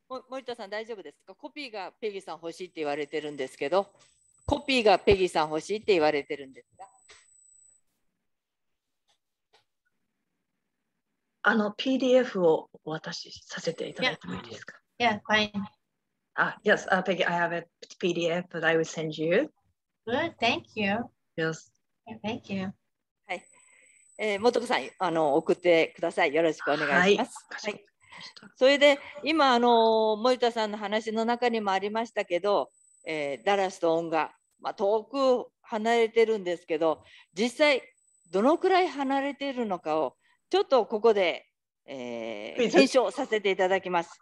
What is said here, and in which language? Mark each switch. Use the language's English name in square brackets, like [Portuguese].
[Japanese] 森田さん大丈夫ですか？コピーがペギーさん欲しいって言われてるんですけど、コピーがペギーさん欲しいって言われてるんですか？ PDF をお渡しさせていただいてもいいですか？ [English] Yeah, fine. Yes, Peggy, I have a PDF that I will send you. Good, thank you. Yes. Yeah, thank you. [Japanese] 元子さん送ってください。よろしくお願いします、はいはい、それで今森田さんの話の中にもありましたけど、ダラスと音が、遠く離れてるんですけど、実際どのくらい離れているのかをちょっとここで、検証させていただきます。